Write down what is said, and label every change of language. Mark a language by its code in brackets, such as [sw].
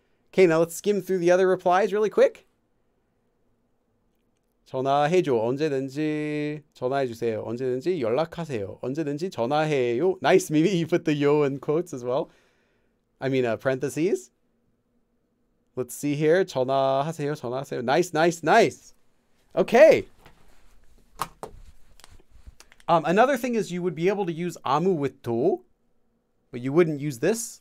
[en] Okay, now let's skim through the other replies really quick. [ko] 전화해줘. 언제든지 전화해주세요. 언제든지 연락하세요. 언제든지 전화해요. [en] Nice, Mimi. You put the yo in quotes as well. I mean, parentheses. Let's see here. [ko] 전화하세요. 전화하세요. [en] Nice, nice, nice. Okay. Another thing is you would be able to use 아무 with 도, but you wouldn't use this.